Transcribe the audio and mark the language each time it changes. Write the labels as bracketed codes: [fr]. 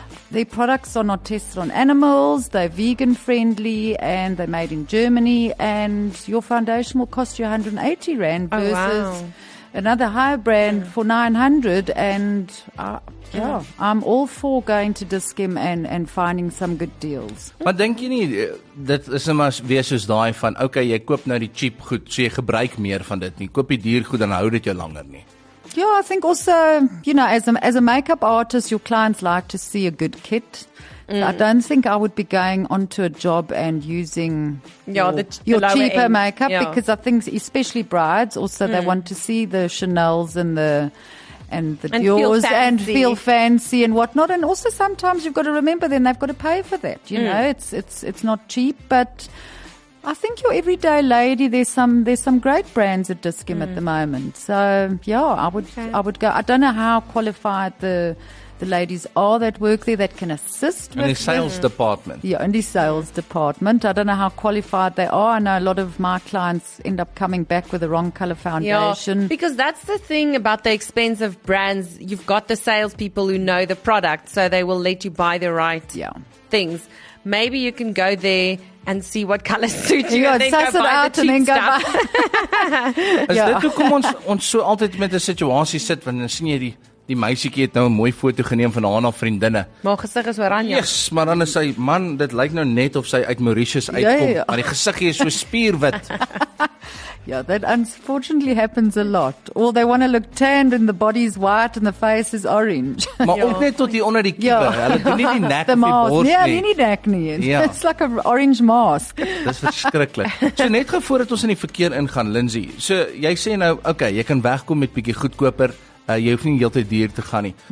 [en] Their products are not tested on animals. They're vegan friendly and they're made in Germany. And your foundation will cost you 180 Rand versus another higher brand for 900. And I'm all for going to Dis-Chem and finding some good deals. [af] Maar denk jy nie, dit is nie maar weer soos daai van, okay, jy koop nou die cheap goed, so jy gebruik meer van dit nie. Koop die duur goed, dan hou dit jou langer nie. [en] Yeah, I think also, you know, as a makeup artist, your clients like to see a good kit. So I don't think I would be going onto a job and using your cheaper makeup because I think especially brides also, they want to see the Chanels and the Dior's and feel fancy and whatnot. And also sometimes you've got to remember then they've got to pay for that. You know, it's not cheap, but I think your everyday lady, there's some great brands at Dis-Chem at the moment. So yeah, I would go. I don't know how qualified the ladies are that work there that can assist in the sales department. Yeah, in the sales department. I don't know how qualified they are. I know a lot of my clients end up coming back with the wrong color foundation. Yeah, because that's the thing about the expensive brands. You've got the salespeople who know the product, so they will let you buy the right things. Maybe you can go there and see what color suits you and then go buy the cheap stuff. [af] Is dit hoekom ons so altyd met 'n situasie sit wanneer sien jy die meisiekie het nou 'n mooi foto geneem van haar en haar vriendinne. Maar gesig is oranje. Yes, maar dan is sy, man, dit lyk nou net of sy uit Mauritius uitkom. Maar die gesigie is so spierwit. [en] Yeah, that unfortunately happens a lot. Or they want to look tanned and the body's white and the face is orange. [af] Maar ook net tot die onder die kiepe. Hulle doen nie die nek [en] the [af] of die borst nie. Nee, nie nek nie. [en] It's like an orange mask. [af] Dis verskriklik. So net gou voordat ons in die verkeer ingaan, Lindsay. So jy sê nou, okay, jy kan wegkom met bietjie goedkoper. Jy hoef nie heeltyd duur te gaan nie.